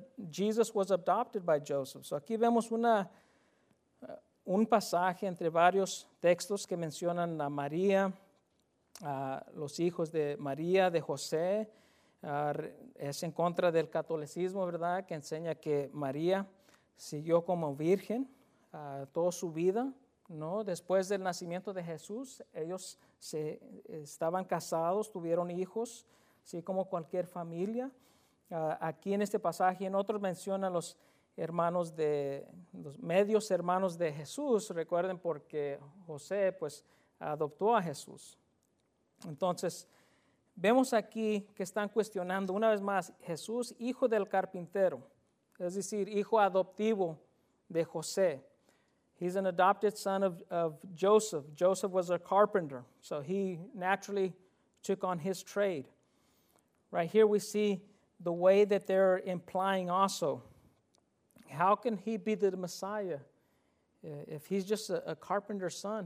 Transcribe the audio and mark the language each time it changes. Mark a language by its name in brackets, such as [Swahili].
[English] Jesus was adopted by Joseph. [Spanish] So aquí vemos un pasaje entre varios textos que mencionan a María, los hijos de María, de José. Es en contra del catolicismo, ¿verdad?, que enseña que María siguió como virgen toda su vida, ¿no? Después del nacimiento de Jesús, ellos estaban casados, tuvieron hijos, así como cualquier familia. Aquí en este pasaje, en otros menciona los hermanos de los medios hermanos de Jesús, recuerden, porque José pues adoptó a Jesús. Entonces vemos aquí que están cuestionando una vez más: Jesús, hijo del carpintero, es decir, hijo adoptivo de José. [English] He's an adopted son of Joseph. Joseph was a carpenter, so he naturally took on his trade. Right here we see the way that they're implying also. How can he be the Messiah if he's just a carpenter's son?